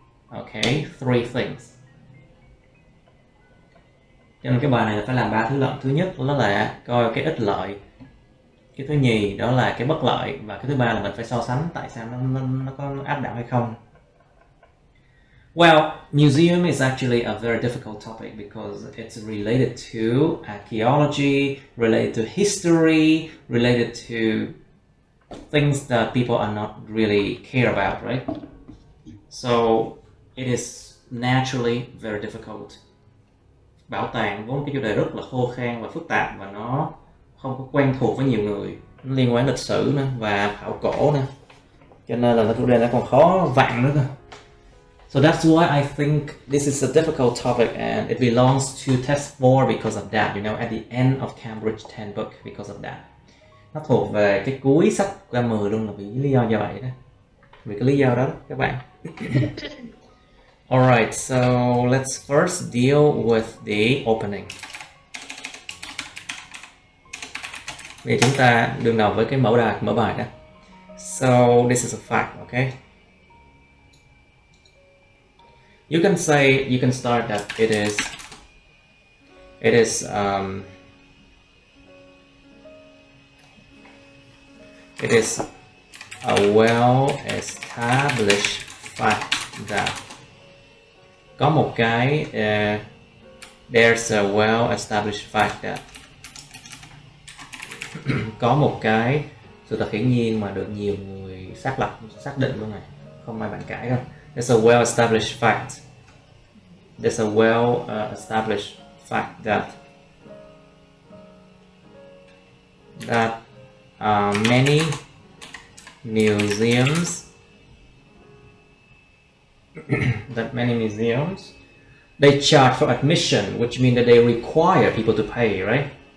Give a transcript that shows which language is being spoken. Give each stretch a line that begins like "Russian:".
English: Okay, three things.
Vietnamese: Cho nên cái bài này là phải làm ba thứ lận. Thứ nhất đó là coi cái ích lợi. Cái thứ nhì đó là cái bất lợi. Và cái thứ ba là mình phải so sánh tại sao nó có áp đảo hay không.
English: Well, museum is actually a very difficult topic because it's related to archaeology, related to history, related to things that people are not really care about, right? So it is naturally very difficult.
Vietnamese: Bảo tàng vốn cái chủ đề rất là khô khan và phức tạp và nó không có quen thuộc với nhiều người, nó liên quan lịch sử nữa và khảo cổ nữa, cho nên là chủ đề nó còn khó vặn nữa cơ.
English: So that's why I think this is a difficult topic and it belongs to test 4 because of that, you know, at the end of Cambridge 10 book because of that.
Vietnamese: Nó thuộc về cái cuối sách qua 10 luôn là vì lý do như vậy đó. Vì cái lý do đó các bạn.
English: Alright, so let's first deal with the opening.
Vietnamese: Bây giờ chúng ta đương đầu với cái mẫu đài, mở bài đó.
English: So this is a fact, okay? You can say, you can start that it is a well-established fact that
Vietnamese: có một cái
English: there's a well-established fact that
Vietnamese: có một cái sự thật hiển nhiên mà được nhiều người xác lập, xác định luôn này, không ai bàn cãi đâu.
English: There's a well-established fact. There's a well-established fact that many museums they charge for admission, which means that they require people to pay, right?